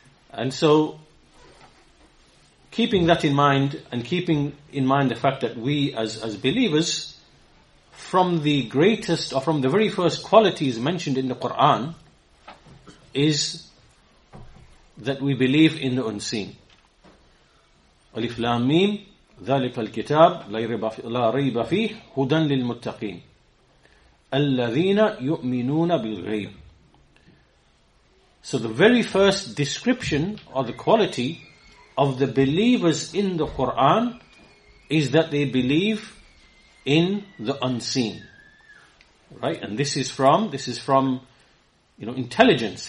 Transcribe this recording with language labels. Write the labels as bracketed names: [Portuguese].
[English] And so, keeping that in mind, and keeping in mind the fact that we as believers, from the greatest or from the very first qualities mentioned in the Quran, is that we believe in the unseen. [Arabic] Alif Lam Mim, ذلك الكتاب لا ريب فيه هدى للمتقين الذين يؤمنون بالغيب. [English] So the very first description or the quality of the believers in the Quran is that they believe in the unseen, right? And this is from, you know, intelligence.